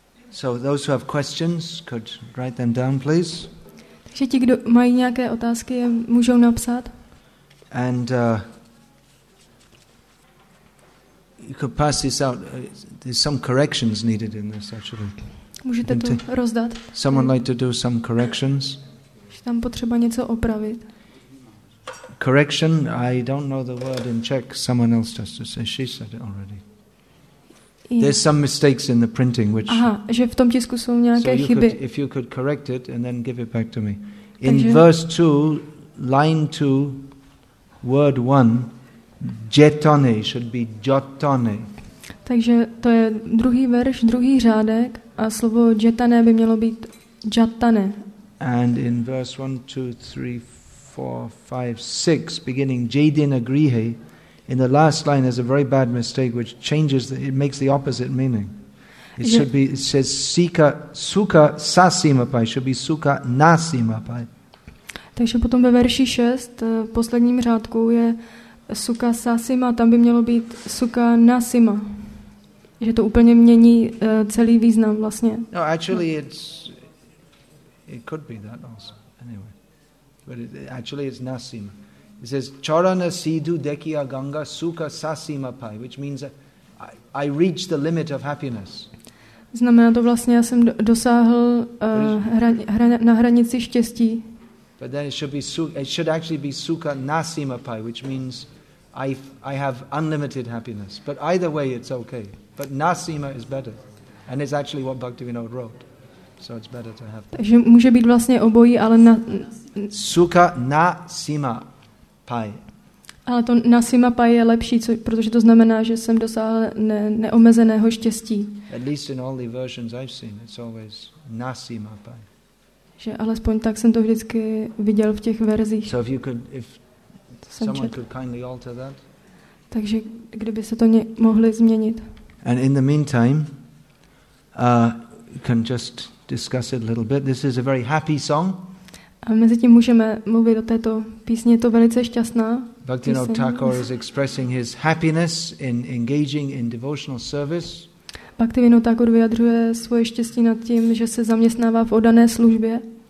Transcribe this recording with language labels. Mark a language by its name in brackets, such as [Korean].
[English] So those who have questions could write them down, please. [Czech] Takže ti, kdo mají nějaké otázky, můžou napsat. [English] And you could pass this out. There's some corrections needed in this, actually. [Czech] Můžete to rozdat. [English] Someone like to do some corrections? [Czech] Je tam potřeba něco opravit. [English] Correction? I don't know the word in Czech. Someone else just to say. She said it already. There's some mistakes in the printing, which. [Czech] Aha, že v tom tisku jsou nějaké chyby. [English] So if you could correct it and then give it back to me. In takže, verse 2, line 2, word 1, jetone should be jotone. [Czech] Takže to je druhý verš, druhý řádek a slovo jetone by mělo být jatane. [English] And in verse 1, 2, 3, 4, 5, 6, beginning jadina grihe. In the last line, there's a very bad mistake which changes, it makes the opposite meaning. It should be, it says, sika, suka sasimapai, should be suka nasimapai. [Czech] Takže potom ve verši 6, posledním řádku je suka sasima, tam by mělo být suka nasima. Že to úplně mění celý význam vlastně. [English] No, actually it could be that also, anyway. But actually it's nasima. It says [Bangla] charana sidhu dekhiya ganga sukha sasima pai, [English] which means I reached the limit of happiness. [Czech] Znamená to vlastně, já jsem dosáhl na hranici štěstí. [English] But then it should actually be sukha nasima pai, which means I have unlimited happiness. But either way it's okay. But nasima is better. And it's actually what Bhaktivinoda wrote. So it's better to have. [Czech] Takže může být vlastně obojí, ale na sukha nasima. Ale to nasima pai je lepší, protože to znamená, že jsem dosáhl neomezeného štěstí. [English] At least in all the versions I've seen, it's always nasima pai. [Czech] Že alespoň tak jsem to vždycky viděl v těch verzích. [English] So if someone could kindly alter that. [Czech] Takže kdyby se to mohli změnit. [English] And in the meantime, can just discuss it a little bit. This is a very happy song. [Czech] A mezi tím můžeme mluvit o této písni, je to velice šťastná. [English] Bhaktivinoda Thakur is expressing his happiness in engaging in devotional service. [Czech] Bhaktivinoda Thakur vyjadřuje svoje štěstí nad tím, že se zaměstnává v oddané službě.